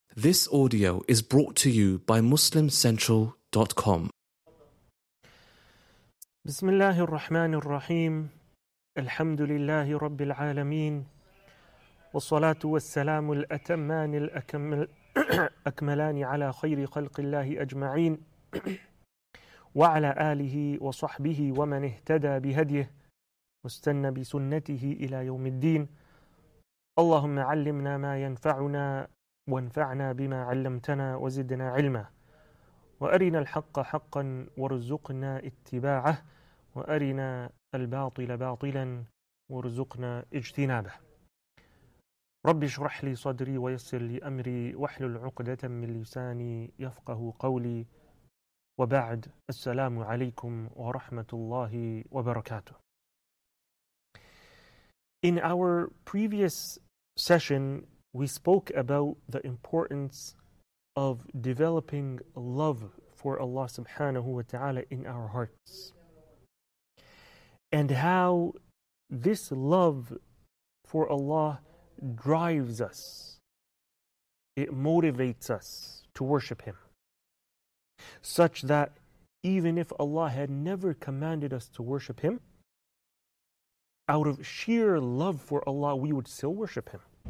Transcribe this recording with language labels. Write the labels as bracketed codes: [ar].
[en] This audio is brought to you by MuslimCentral.com. [ar] بسم الله الرحمن الرحيم الحمد لله رب العالمين والصلاة والسلام الأتمان الأكملان على خير خلق الله أجمعين وعلى آله وصحبه ومن اهتدى بهديه واستنى بسنته إلى يوم الدين اللهم علمنا ما ينفعنا وانفعنا بما علمتنا وزدنا علما وأرنا الحق حقا وارزقنا اتباعه وأرنا الباطل باطلا وارزقنا اجتنابه رب اشرح لي صدري ويسر لي أمري واحلل عقدة من لساني يفقه قولي وبعد السلام عليكم ورحمة الله وبركاته. [en] In our previous session, we spoke about the importance of developing love for Allah subhanahu wa ta'ala in our hearts, and how this love for Allah drives us, it motivates us to worship Him, such that even if Allah had never commanded us to worship Him, out of sheer love for Allah, we would still worship Him.